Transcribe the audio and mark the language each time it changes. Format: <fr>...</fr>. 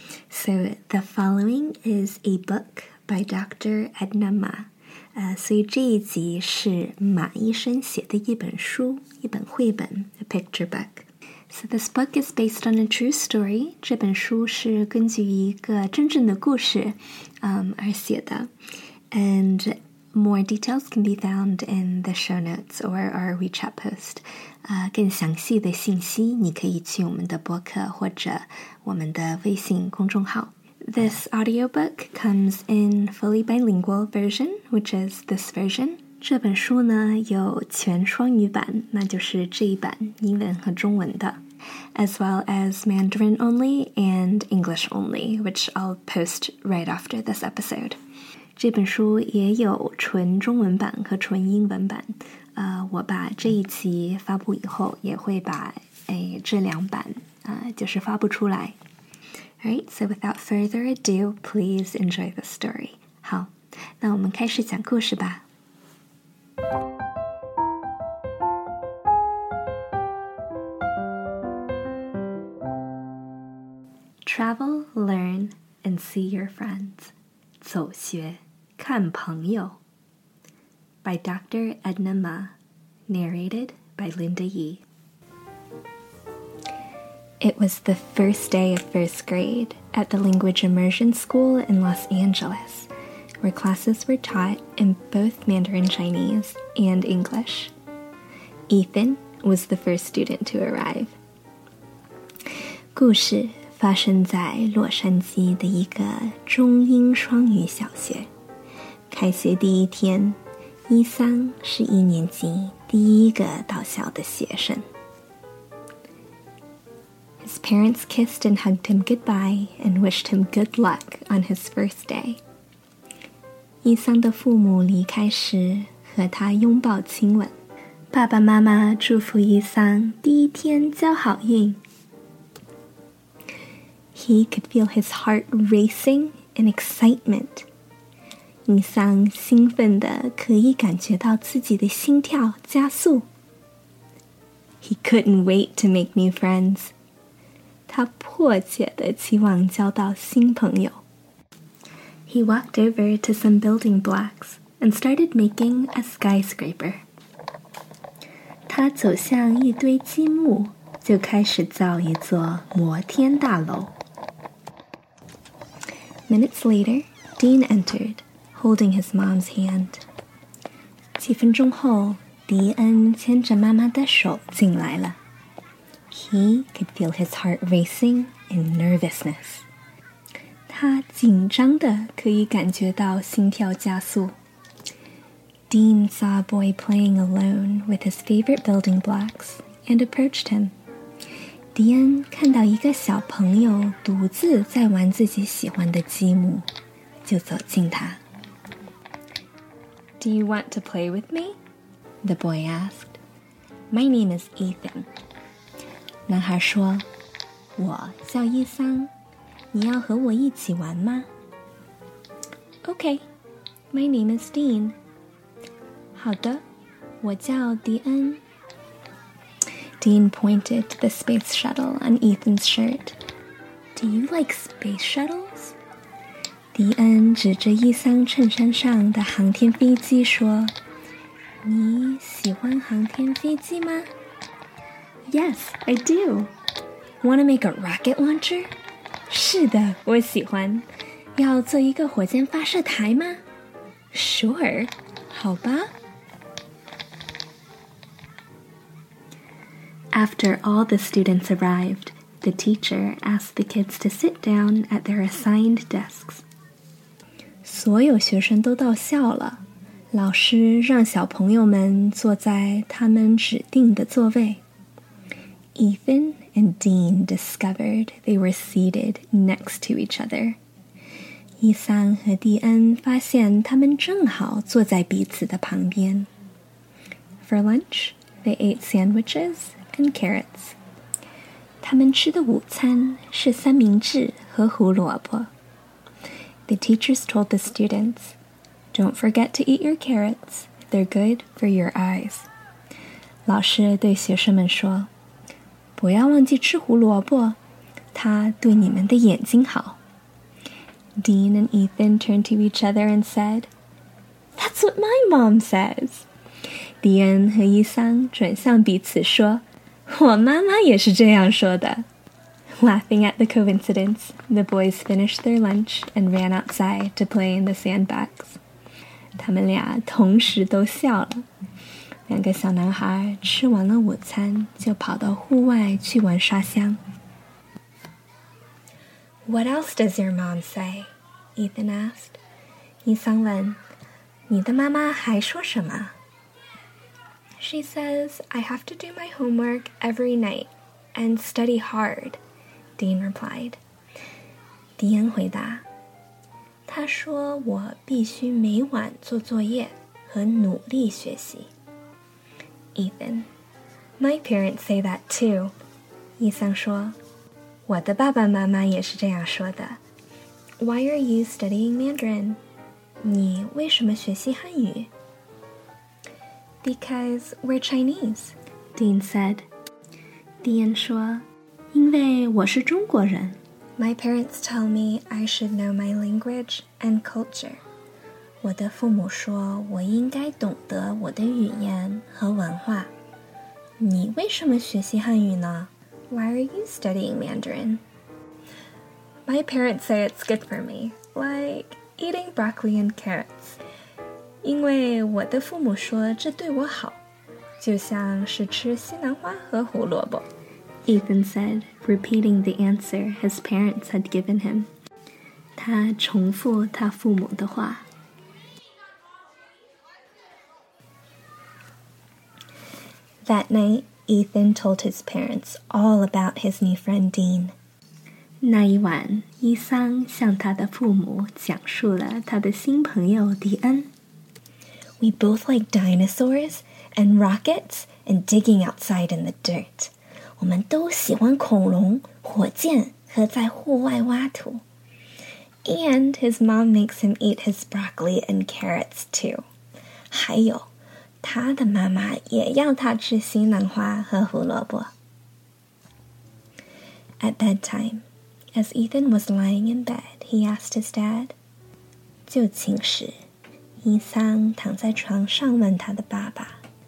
<en>So, the following is a book by Dr.</en> <zh>Edna Ma. 所以这一集是马医生写的一本书，一本绘本</zh> <en>a picture book. So this book is based on a true story.</en> <zh>这本书是根据一个真正的故事而写的。</zh> <en>And more details can be found in the show notes or our WeChat post.</en> <zh>更详细的信息你可以去我们的博客或者我们的微信公众号。</zh> <en>This audiobook comes in fully bilingual version, which is this version.</en> <zh>这本书呢有全双语版，那就是这一版英文和中文的</zh> <en>，as well as Mandarin only and English only, which I'll post right after this episode.</en> <zh>这本书也有纯中文版和纯英文版。我把这一集发布以后，也会把这两版就是发布出来。</zh> <en>All right, so without further ado, please enjoy the story.</en> <zh>好，那我们开始讲故事吧。</zh> <en>Travel, learn, and see your friends.</en> <zh>走学，看朋友。</zh> <en>By Dr. Edna Ma. Narrated by Linda Yi. It was the first day of first grade at the Language Immersion School in Los Angeles, where classes were taught in both Mandarin Chinese and English. Ethan was the first student to arrive.</en> <zh>故事发生在洛杉矶的一个中英双语小学。开学第一天，伊桑是一年级第一个到校的学生。</zh> <en>His parents kissed and hugged him goodbye and wished him good luck on his first day.</en> <zh>伊桑的父母离开时和他拥抱亲吻，爸爸妈妈祝福伊桑第一天交好运。</zh> <en>He could feel his heart racing in excitement.</en> <zh>伊桑兴奋地可以感觉到自己的心跳加速。</zh> <en>He couldn't wait to make new friends.</en> <zh>他迫切地期望交到新朋友。</zh> <en>He walked over to some building blocks and started making a skyscraper.</en> <zh>他走向一堆积木，就开始造一座摩天大楼。</zh> <en>Minutes later, Dean entered, holding his mom's hand.</en> <zh>几分钟后，迪恩牵着妈妈的手进来了。</zh> <en>He could feel his heart racing in nervousness.</en> <zh>他紧张的可以感觉到心跳加速。</zh> <en>Dean saw a boy playing alone with his favorite building blocks and approached him.</en> <zh>迪恩看到一个小朋友独自在玩自己喜欢的积木，就走近他。</zh> <en>Do you want to play with me? The boy asked. My name is Ethan.</en> <zh>男孩说，我叫伊桑，你要和我一起玩吗？</zh> <en>Okay, my name is Dean.</en> <zh>好的，我叫迪恩。</zh> <en>Dean pointed to the space shuttle on Ethan's shirt. Do you like space shuttles?</en> <zh>迪恩指着伊桑衬衫上的航天飞机说，你喜欢航天飞机吗？</zh> <en>Yes, I do. Want to make a rocket launcher?</en> <zh>是的，我喜欢。要做一个火箭发射台吗？</zh> <en>Sure.</en> <zh>好吧。</zh> <en>After all the students arrived, the teacher asked the kids to sit down at their assigned desks.</en> <zh>所有学生都到校了，老师让小朋友们坐在他们指定的座位。</zh> <en>Ethan and Dean discovered they were seated next to each other.</en> <zh>伊桑和迪恩发现他们正好坐在彼此的旁边。</zh> <en>For lunch, they ate sandwiches. And carrots.</en> <zh>他们吃的午餐是三明治和胡萝卜。</zh> <en>The teachers told the students, Don't forget to eat your carrots. They're good for your eyes.</en> <zh>老师对学生们说，不要忘记吃胡萝卜，它对你们的眼睛好。</zh> <en>Dean and Ethan turned to each other and said, That's what my mom says.</en> <zh>Dean 和伊桑转向彼此说，我妈妈也是这样说的。</zh> <en>Laughing at the coincidence, the boys finished their lunch and ran outside to play in the sandbox.</en> <zh>他们俩同时都笑了。两个小男孩吃完了午餐就跑到户外去玩沙箱。</zh> <en>What else does your mom say? Ethan asked.</en> <zh>伊桑问，你的妈妈还说什么？</zh> <en>She says, I have to do my homework every night and study hard. Dean replied.</en> <zh>Dean 回答，他说我必须每晚做作业和努力学习。</zh> <en>Ethan, my parents say that too.</en> <zh>伊桑说，我的爸爸妈妈也是这样说的。</zh> <en>Why are you studying Mandarin?</en> <zh>你为什么学习汉语？</zh> <en>Because we're Chinese, Dean said.</en> <zh>Dean 说，因为我是中国人。</zh> <en>My parents tell me I should know my language and culture.</en> <zh>我的父母说我应该懂得我的语言和文化。你为什么学习汉语呢？</zh> <en>Why are you studying Mandarin? My parents say it's good for me, like eating broccoli and carrots.</en> <zh>因为我的父母说这对我好，就像是吃西兰花和胡萝卜。</zh> <en>Ethan said, repeating the answer his parents had given him.</en> <zh>他重复他父母的话。</zh> <en>That night, Ethan told his parents all about his new friend Dean.</en> <zh>那一晚，伊桑向他的父母讲述了他的新朋友迪恩。</zh> <en>We both like dinosaurs and rockets and digging outside in the dirt.</en> <zh>我们都喜欢恐龙、火箭和在户外挖土。</zh> <en>And his mom makes him eat his broccoli and carrots too.</en> <zh>还有，他的妈妈也要他吃西兰花和胡萝卜。</zh> <en>At bedtime, as Ethan was lying in bed, he asked his dad.</en> <zh>就寝时，伊桑躺在床上问他的爸爸，</zh>